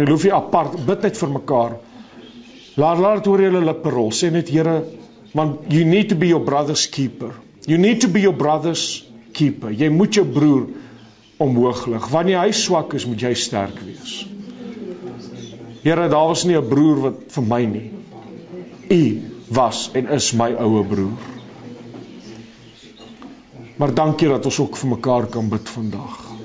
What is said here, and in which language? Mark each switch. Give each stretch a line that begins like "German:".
Afrikaans: Jy hoef nie apart, bid net vir mekaar. Laat dit oor julle lippe rol. Sê net Here, want
English: you need to be your brother's keeper. You need to be your brother's keeper.
Afrikaans: Jy moet jou broer omhoog lig. Wanneer hy swak is, moet jy sterk wees. Here, daar was nie 'n broer wat vir my nie. U was en is my ouwe broer. Maar dankie dat ons ook vir mekaar kan bid vandag.